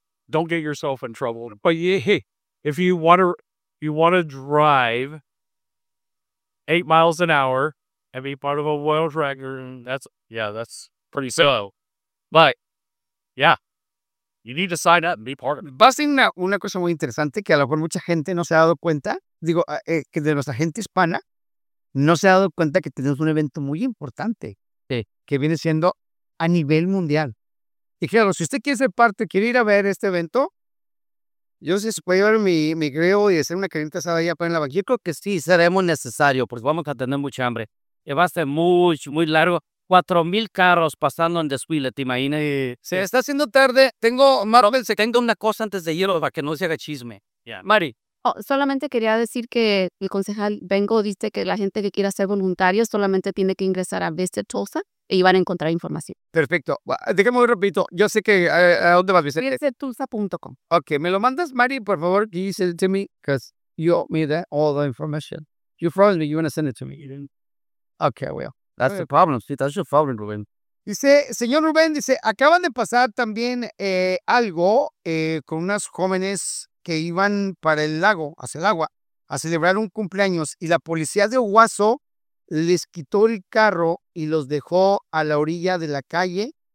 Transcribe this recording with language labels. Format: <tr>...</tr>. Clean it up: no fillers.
<en>don't get yourself in trouble. But if you want to drive 8 miles an hour and be part of a world record, that's pretty slow. But yeah, you need to sign up and be part of it.</en> <es>Va a ser una cosa muy interesante que a lo mejor mucha gente no se ha dado cuenta. Digo, que de nuestra gente hispana no se ha dado cuenta que tenemos un evento muy importante, sí, que viene siendo a nivel mundial. Y claro, si usted quiere ser parte, quiere ir a ver este evento, yo sé si se puede llevar mi grill y hacer una carnita asada allá para en la banca. Yo creo que sí, seremos necesario, porque vamos a tener mucha hambre. Y va a ser muy, muy largo. 4,000 carros pasando en desfile, ¿te imaginas? Sí. Se está haciendo tarde. Tengo una cosa antes de irlo para que no se haga chisme.</es> <en>Yeah.</en> <es>Mari. Oh, solamente quería decir que el concejal Bengo dice que la gente que quiera ser voluntario solamente tiene que ingresar a Visit Tulsa y van a encontrar información. Perfecto. Déjame un ratito. Yo sé que... ¿A dónde vas, Vicente? VisitTulsa.com. Ok. ¿Me lo mandas, Mari, por favor?</es> <en>Can you send it to me? Because you owe me that, all the information. You promised me you want to send it to me. You didn't... Ok, well. That's the problem. See, that's your problem, Rubén.</en> <es>Dice, señor Rubén, dice, acaban de pasar también algo con unas jóvenes que iban para el lago, hacia el agua, a celebrar un cumpleaños y la policía de Oguazo les quitó el carro y los dejó a la orilla de la calle.</es>